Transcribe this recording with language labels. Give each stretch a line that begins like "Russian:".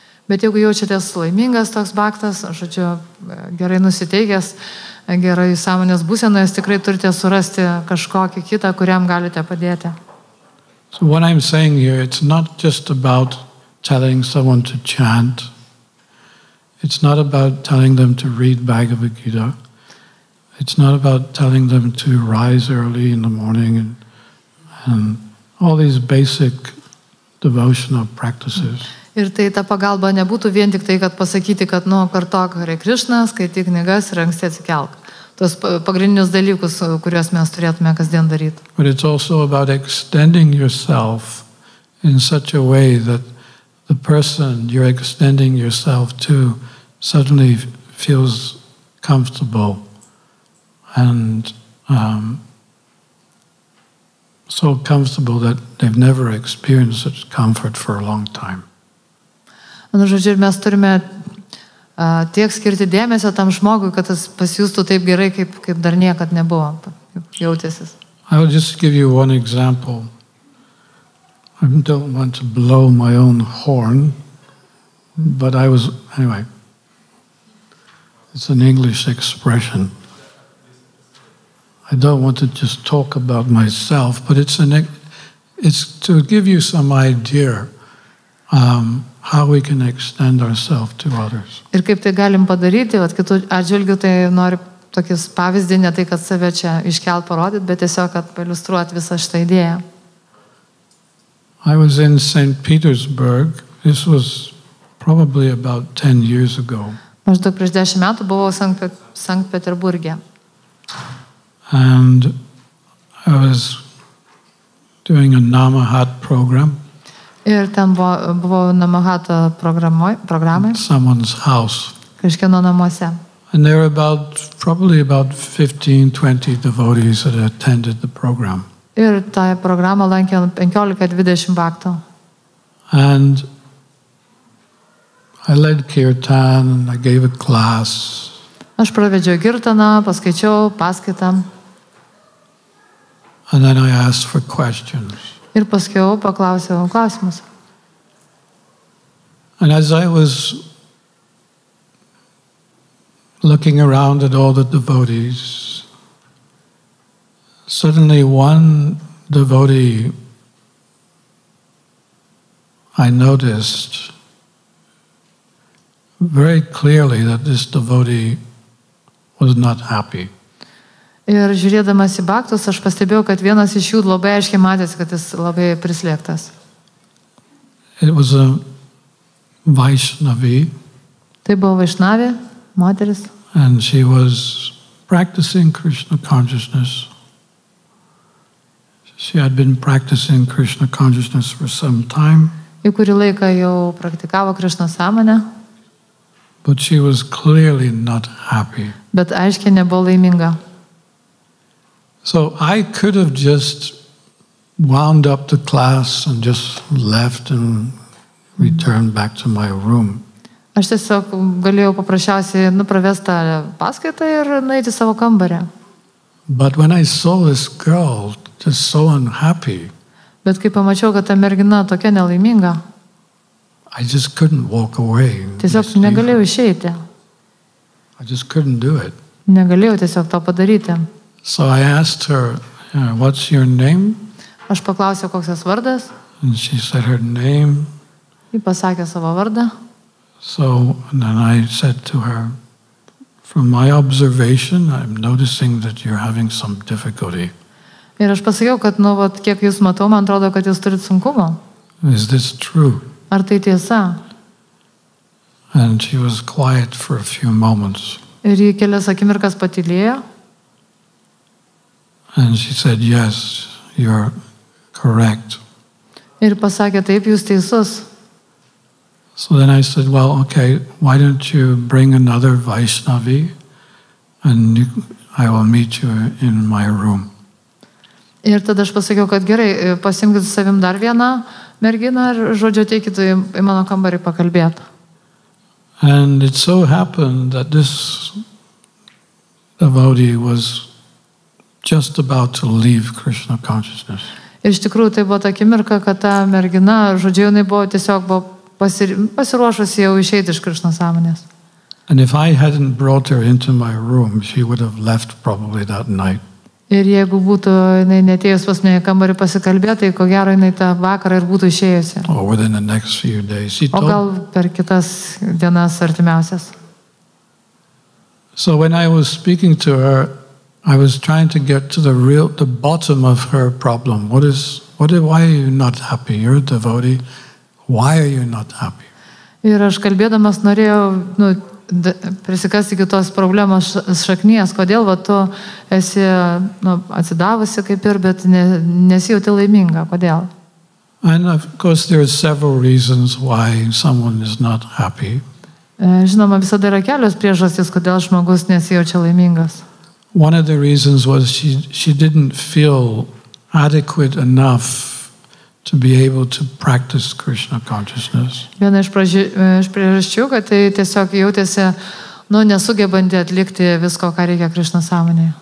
Lithuanian: Bet jeigu jaučiatės laimingas toks baktas, žodžiu, gerai nusiteikęs, gerai sąmonės būsenoje, tikrai turite surasti kažkokį kitą, kuriam galite padėti.
English: So what I'm saying here, it's not just about telling someone to chant. It's not about telling them to read Bhagavad Gita. It's not about telling them to rise early in the morning and all these basic devotional practices.
Lithuanian: Ir tai ta pagalba nebūtų vien tik tai, kad pasakyti, kad kartok Hare Krishna, skaityk knygas ir anksti atsikelk. Tos pagrindinius dalykus, kuriuos mes turėtume kasdien daryti.
English: But it's also about extending yourself in such a way that the person you're extending yourself to suddenly feels comfortable and so comfortable that they've never experienced such comfort for a long time.
Lithuanian: Nu, žodžiu, mes turime tiek skirti dėmesio tam žmogui, kad jis pasijūstų taip gerai, kaip dar niekad nebuvo jautėsis.
English: I will just give you one example. I don't want to blow my own horn, but I was, anyway, it's an English expression. I don't want to just talk about myself, but it's to give you some idea how we can extend ourselves to others.
Lithuanian: Ir kaip tai galim padaryti, vat kitų atžvilgių, tai noriu tokį pavyzdį, ne tai, kad save čia iškelt parodyt, bet tiesiog, kad pailustruot visą šitą idėją.
English: I was in St. Petersburg. This was probably about 10 years ago.
Lithuanian: Maždaug prieš 10 metų buvau Sankt Peterburge.
English: And I was doing a Namahat program.
Lithuanian: Ir ten buvau Namahata programai.
English: In someone's house.
Lithuanian: Kažkieno namuose.
English: And there were probably about 15-20 devotees that attended the program.
Lithuanian: Ir tą programą lankė 15-20 bakto.
English: And I led kirtan and I gave a class.
Lithuanian: Aš pravedžiau kirtaną, paskaičiau paskaitą.
English: And then I asked for questions.
Lithuanian: Ir paskiau paklausiau klausimus.
English: And as I was looking around at all the devotees, suddenly one devotee I noticed very clearly that this devotee was not happy.
Lithuanian: Ir žiūrėdamas į baktus, aš pastebėjau, kad vienas iš jų labai aiškiai matėsi, kad jis labai prislėgtas.
English: It was a Vaishnavi.
Lithuanian: Tai buvo Vaishnavi, moteris.
English: And she was practicing Krishna consciousness. She had been practicing Krishna consciousness for some time.
Lithuanian: Ji kurį laiką jau praktikavo Krishna sąmonę.
English: But she was clearly not happy.
Lithuanian: Bet aiškiai nebuvo laiminga.
English: So I could have just wound up the class and just left and returned back to my room.
Lithuanian: Aš tiesiog galėjau paprasčiausiai nupravestą paskaitą ir nueiti savo kambarį.
English: But when I saw this girl just so unhappy.
Lithuanian: Bet kai pamačiau, kad ta mergina tokia nelaiminga.
English: I just couldn't walk away.
Lithuanian: Tiesiog negalėjau išeiti.
English: I just couldn't do it.
Lithuanian: Negalėjau tiesiog to padaryti.
English: So I asked her, what's your name?
Lithuanian: Aš paklausiau, koks jos vardas.
English: And she said her name.
Lithuanian: Ji pasakė savo vardą.
English: So and then I said to her, from my observation, I'm noticing that you're having some difficulty.
Lithuanian: Ir aš pasakiau, kad nu, vat, kiek jūs matau, man atrodo, kad jūs turit sunkumą.
English: Is this true?
Lithuanian: Ar tai tiesa?
English: And she was quiet for a few moments.
Lithuanian: Ir ji kelias akimirkas patylėjo.
English: And she said, yes, you're correct.
Lithuanian: Ir pasakė, taip, jūs teisus.
English: So then I said, well, okay, why don't you bring another Vaishnavi and I will meet you in my room.
Lithuanian: Ir tada aš pasakiau, kad gerai, pasimkite savim dar vieną merginą ir žodžiu ateikite į mano kambarį pakalbėti.
English: And it so happened that this devotee was just about to leave Krishna consciousness.
Lithuanian: Ir iš tikrųjų tai buvo ta akimirka, kad ta mergina, žodžiu, jinai buvo tiesiog buvo pasiruošusi jau išeiti iš Krishna sąmonės.
English: And if I hadn't brought her into my room, she would have left probably that night.
Lithuanian: Ir jeigu būtų jinai netėjus pas mane kambarį pasikalbėti, tai ko gero jinai tą vakarą ir būtų išėjusi.
English: Or within the next few days.
Lithuanian: O gal per kitas dienas artimiausias.
English: So when I was speaking to her, I was trying to get to the bottom of her problem. Why are you not happy? You're a devotee. Why are you not happy?
Lithuanian: Ir aš kalbėdamas norėjau, nu, prisikasti iki tos problemos šaknies, kodėl va tu esi, nu, atsidavusi kaip ir, bet nesijauti laiminga, kodėl?
English: And of course there are several reasons why someone is not happy.
Lithuanian: Žinoma, visada yra kelios priežastys, kodėl žmogus nesijaučia laimingas.
English: One of the reasons was she didn't feel adequate enough to be able to practice Krishna consciousness.
Lithuanian: Viena iš priežasčių, kad tai tiesiog jautėsi, nu, nesugebanti atlikti visko, ką reikia Krishna sąmonėje.